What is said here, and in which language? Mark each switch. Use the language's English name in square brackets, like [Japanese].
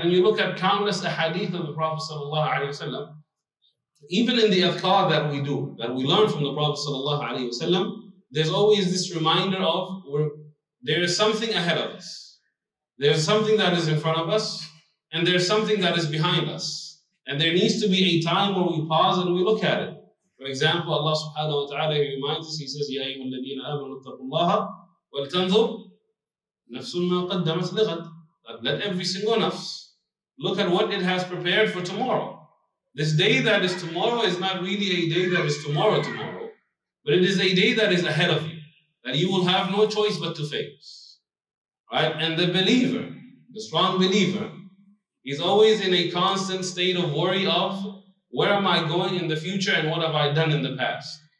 [English] And you look at countless ahadith of the Prophet sallallahu alaihi wasallam, even in the adhkar that we do, that we learn from the Prophet sallallahu alaihi wasallam, there's always this reminder of there is something ahead of us. There is something that is in front of us, and there is something that is behind us. And there needs to be a time where we pause and we look at it. For example, Allah subhanahu wa ta'ala reminds us, He says, [Arabic] يَا أَيُّهَا الَّذِينَ آمَنُوا اتَّقُوا اللَّهَ وَلْتَنْظُرْ نَفْسٌ مَا قَدَّمَتْ لِغَدْ. [English] Let every single nafs look at what it has prepared for tomorrow. This day that is tomorrow is not really a day that is tomorrow, but it is a day that is ahead of you, that you will have no choice but to face. Right? And the believer, the strong believer, is always in a constant state of worry of where am I going in the future and what have I done in the past?